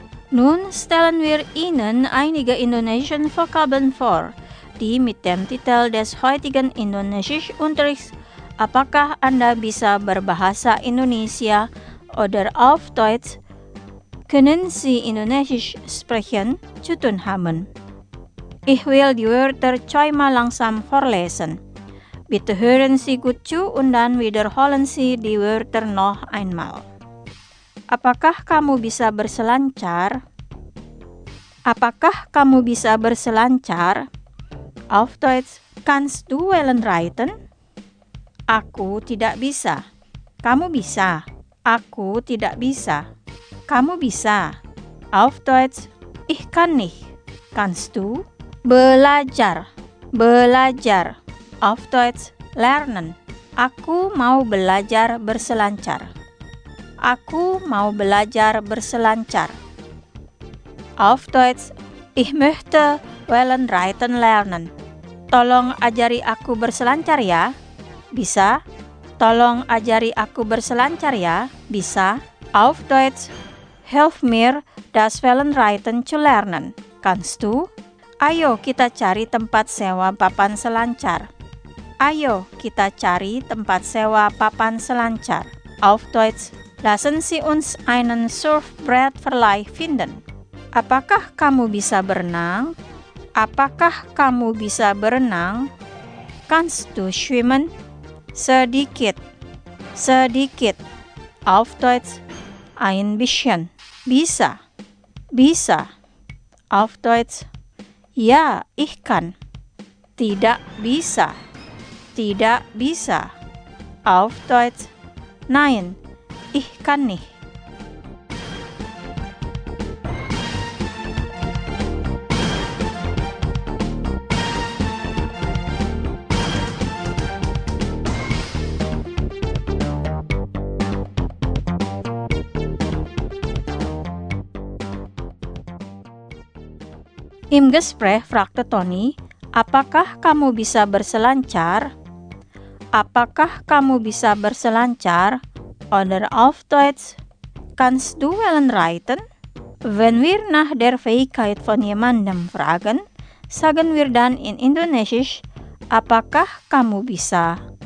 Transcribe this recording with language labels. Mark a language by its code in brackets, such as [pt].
[de] Nun stellen wir Ihnen einige indonesische Vokabeln vor, die mit dem Titel des heutigen Indonesischunterrichts [id] Apakah Anda bisa berbahasa Indonesia [de] oder auf Deutsch Können Sie Indonesisch sprechen? zu tun haben. Ich will die Wörter zweimal langsam vorlesen. Bitte hören Sie gut zu und dann wiederholen Sie die Wörter noch einmal. [id] Apakah kamu bisa berselancar? Apakah kamu bisa berselancar? [de] Auf Deutsch, kannst du wellen reiten? [id] Aku tidak bisa. Kamu bisa. Aku tidak bisa. Kamu bisa. [de] Auf Deutsch, ich kann nicht. Kannst du? [id] Belajar. Belajar. [de] Auf Deutsch, lernen. [id] Aku mau belajar berselancar. Aku mau belajar berselancar. [de] Auf Deutsch, ich möchte wellen reiten lernen. [id] Tolong ajari aku berselancar ya. Bisa? Tolong ajari aku berselancar ya. Bisa? [de] Auf Deutsch, hilf mir das wellen reiten zu lernen. Kannst du? [id] Ayo kita cari tempat sewa papan selancar. Ayo kita cari tempat sewa papan selancar. [de] Auf Deutsch, Lassen Sie uns einen Surfbrettverleih finden. [id] Apakah kamu bisa berenang? Apakah kamu bisa berenang? [de] Kannst du schwimmen? [id] Sedikit. Sedikit. [de] Auf Deutsch, ein bisschen. [id] Bisa. Bisa. [de] Auf Deutsch, ja, ich kann. [id] Tidak bisa. Tidak bisa. [de] Auf Deutsch, nein. Ich kann nicht. Im Gespräch fragte Tony, [id] apakah kamu bisa berselancar? Apakah kamu bisa berselancar? [de] Oder auf Deutsch, kannst du wellen reiten? Wenn wir nach der Fähigkeit von jemandem fragen, sagen wir dann in Indonesisch, [id] apakah kamu bisa?